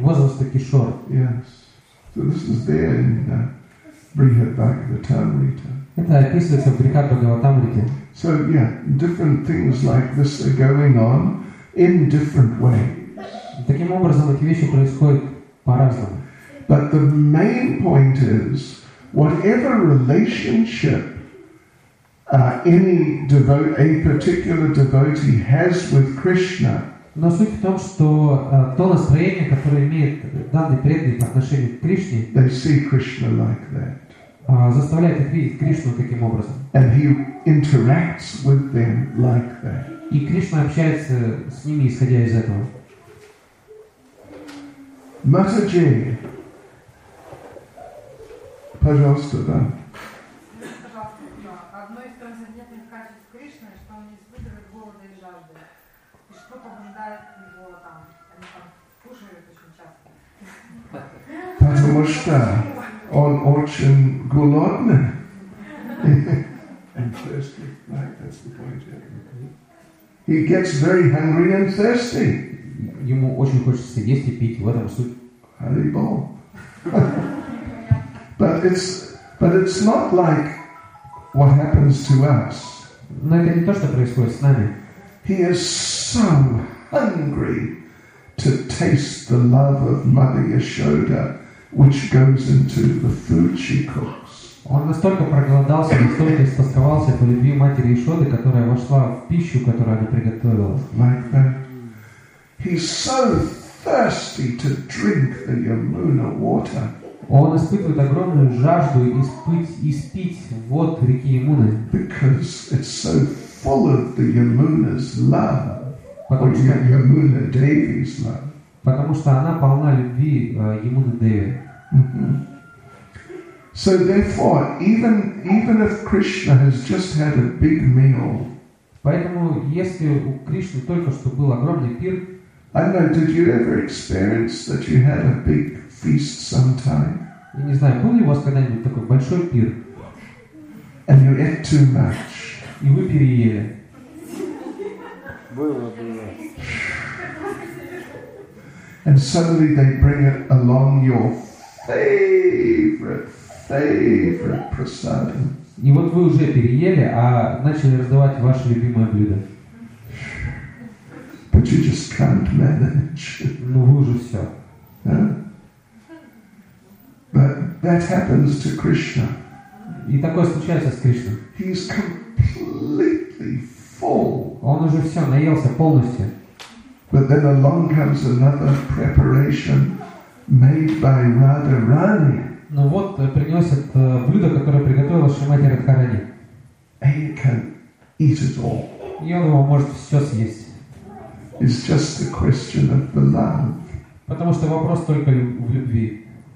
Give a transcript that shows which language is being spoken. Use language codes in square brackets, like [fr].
[ru] Возраста Кишор. [en] Yes. So this is there in Brihad Bhagavatamrita. [ru] Это описывается в Брихад Бхагаватамрите. [en] So yeah, different things like this are going on in different ways. [ru] Таким образом, эти вещи происходят. [en] But the main point is, whatever relationship a particular devotee has with Krishna. [ru] Но суть в том, что то настроение, которое имеет данный преданный по отношению к Кришне, [en] they see Krishna like that. [ru] Заставляет их видеть Кришну таким образом. [en] And he interacts with them like that. [ru] И Кришна общается с ними, исходя из этого. Матаджи, пожалуйста, да. Пожалуйста, одно из трансцендентных качеств Кришны, что он не испытывает голода и жажды. И что побуждает его там? Они там кушают очень часто. Потому что он очень голодный. [en] And thirsty, right? That's the point, yeah. He gets very hungry and thirsty. [ru] Ему очень хочется есть и пить, в этом суть. [en] Haribol. but it's not like what happens to us. [ru] Но это не то, что происходит с нами. [en] He is so hungry to taste the love of Mother Yashoda, which goes into the food she cooks. [ru] Он настолько проголодался, настолько истосковался по любви матери Яшоды, которая вошла в пищу, которую она приготовила. [en] Like that. He's so thirsty to drink the Yamuna water. [ru] Он испытывает огромную жажду испить воду реки Ямуны. [en] Because it's so full of the Yamuna's love. Yamuna Devi's love. [ru] Потому что она полна любви Ямуны Деви. [en] So therefore, even if Krishna has just had a big meal. [ru] Поэтому, если у Кришны только что был огромный пир, [en] I don't know, did you ever experience that you had a big feast sometime? [ru] Я не знаю, был ли у вас когда-нибудь такой большой пир? [en] And you ate too much. [ru] И вы переели. Было, было. [en] And suddenly they bring it along your favorite prasadam. [ru] И вот вы уже переели, а начали раздавать ваше любимое блюдо. [en] But you just can't manage. [ru] Ну вы уже все. [en] But that happens to Krishna. [ru] И такое случается с Кришной. [en] He's completely full. [ru] Он уже все, наелся полностью. [en] But then along comes another preparation made by Radha Rani. [ru] Ну вот приносят блюдо, которое приготовила Шримати Радхарани. [en] And you can eat it all. [ru] И он его может все съесть. [en] It's just a question of the love. [ru] Потому что вопрос только в любви.